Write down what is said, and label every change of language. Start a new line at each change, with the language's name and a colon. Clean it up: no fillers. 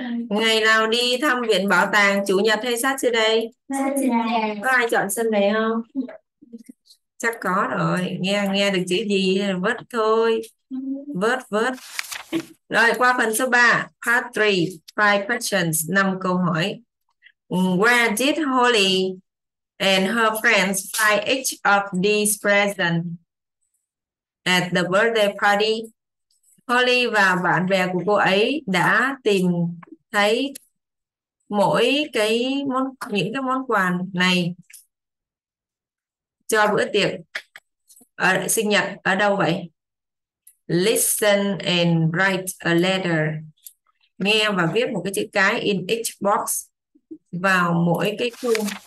Vietnamese: Ngày nào đi thăm viện bảo tàng, chủ nhật hay Saturday?
English: Saturday.
Vietnamese: Có ai chọn Sunday không? Chắc có rồi. Nghe được chữ gì vớt thôi. Vớt. Rồi qua phần số 3,
English: part 3, 5 questions,
Vietnamese: 5 câu hỏi.
English: Where did Holly and her friends buy each of these presents at the birthday party?
Vietnamese: Holly và bạn bè của cô ấy đã tìm thấy những cái món quà này cho bữa tiệc sinh nhật ở đâu vậy?
English: Listen and write a letter.
Vietnamese: Nghe và viết một cái chữ cái
English: in each box
Vietnamese: vào mỗi cái khung.